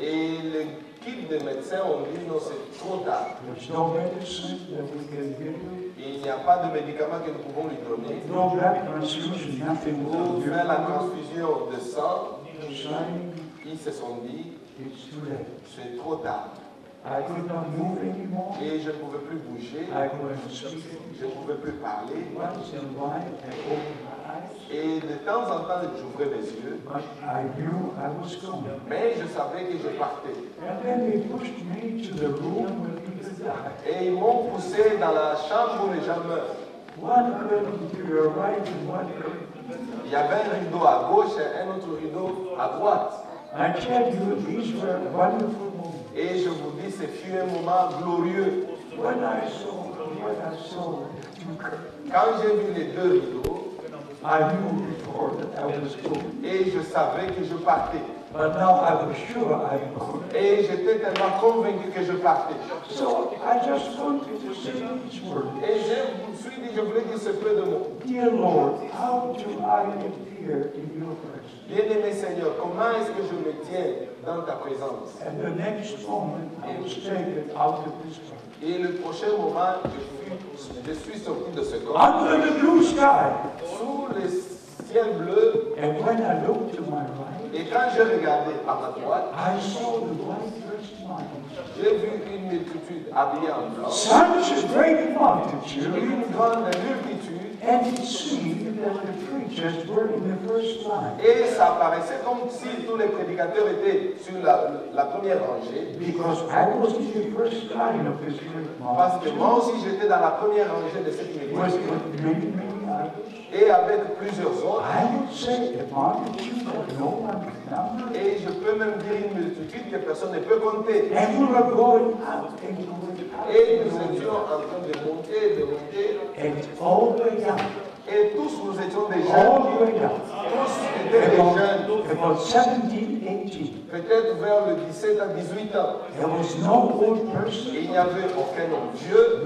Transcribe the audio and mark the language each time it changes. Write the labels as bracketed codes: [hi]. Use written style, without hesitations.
[fr] Et l'équipe de médecins ont dit non, c'est trop tard. [en] There's no medicine that we can give him. [fr] Il n'y a pas de médicament que nous pouvons lui donner. [en] No blood transfusion, nothing more. [fr] Pour faire la transfusion de sang. [en] Shining. [fr] Ils se sont dit, [en] it's too late. [fr] C'est trop tard. [en] I could not move anymore. [fr] Et je ne pouvais plus bouger. [en] I couldn't speak. [fr] Je ne pouvais plus parler. [en] Once in a while, I opened my eyes. [fr] Et de temps en temps, j'ouvrais mes yeux. [en] But I knew I was gone. [fr] Mais je savais que je partais. [en] And then they pushed me to the room where people die. [fr] Et ils m'ont poussé dans la chambre où les gens meurent. [en] One curtain to your right and one curtain. [fr] Il y avait un rideau à gauche et un autre rideau à droite. [en] I tell you, these were wonderful moments. [fr] Et je vous dis, ce fut un moment glorieux. [en] When I saw, [fr] quand j'ai vu les deux rideaux, [en] I knew before that I was going. [fr] Et je savais que je partais. [en] But now I was sure I am going. [fr] Et j'étais tellement convaincu que je partais. [en] So I just wanted to say each word. [fr] Et je vous suis dit, je voulais dire ce peu de mots. [en] Dear Lord, how do I appear in your presence? [fr] Bien-aimé Seigneur, comment est-ce que je me tiens dans ta présence? [en] And the next moment, I was taken out of this place. [fr] Et le prochain moment, je suis sorti de ce corps. [en] Under the blue sky. [fr] Sous le ciel bleu. [en] And when I looked to my right. [fr] Et quand je regardais à ma droite. [en] I saw the white dressed mountains. [fr] J'ai vu une multitude habillée en blanc. [en] Such a great multitude. [fr] Une grande multitude. [en] And it seemed that the preachers were in the first line. [fr] Et ça paraissait comme si tous les prédicateurs étaient sur la première rangée. [en] Because I was in the first line of this great multitude. [fr] Parce que moi aussi j'étais dans la première rangée de cette multitude. Et avec plusieurs autres. [en] I would say a multitude that no one can number. [fr] Et je peux même dire une multitude que personne ne peut compter. [en] And we were going up and going up. [fr] Et nous étions en train de monter et de monter. [en] And all the young. [fr] Et tous nous étions des jeunes. [en] All the [fr] tous étaient des jeunes. [en] About 17, 18. [fr] Peut-être vers le 17 à 18 ans. [en] There was no old person. [fr] Il n'y avait aucun homme Dieu.